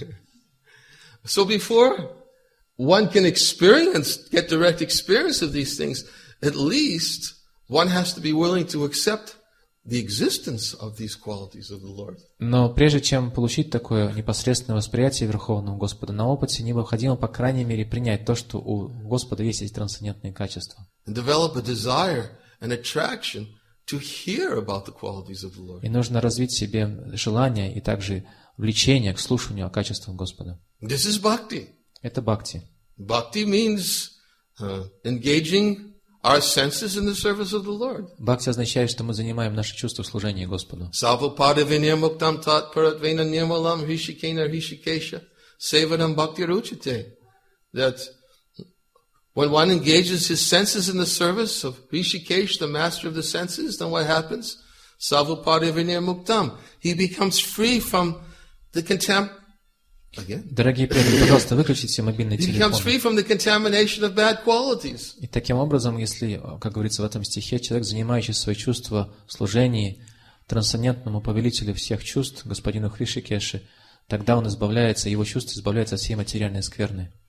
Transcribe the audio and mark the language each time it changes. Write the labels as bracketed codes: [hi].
[en] Before... so before one can experience, get direct experience of these things, at least one has to be willing to accept the existence of these qualities of the Lord. [ru] Но прежде чем получить такое непосредственное восприятие Верховного Господа на опыте, необходимо, по крайней мере, принять то, что у Господа есть эти трансцендентные качества. [en] And develop a desire and attraction to hear about the qualities of the Lord. [ru] И нужно развить в себе желание и также влечение к слушанию о качествах Господа. [en] This is bhakti. [ru] Это бхакти. [en] Bhakti means engaging our senses in the service of the Lord. [ru] Бхакти означает, что мы занимаем наши чувства в служении Господу. [sa] Савапада винирмуктам тат паратвена нирмалам хришикена хришикеша севадам бхакти ручите. [en] That when one engages his senses in the service of Hrishikesh, the master of the senses, then what happens? [sa] Савапада винирмуктам. [en] He becomes free from the [ru] Дорогие преданные, пожалуйста, выключите мобильные телефоны. И таким образом, если, как говорится в этом стихе, человек, занимающий свои чувства в служении трансцендентному повелителю всех чувств, господину Хришикеше, тогда он избавляется, его чувства избавляются от всей материальной скверны.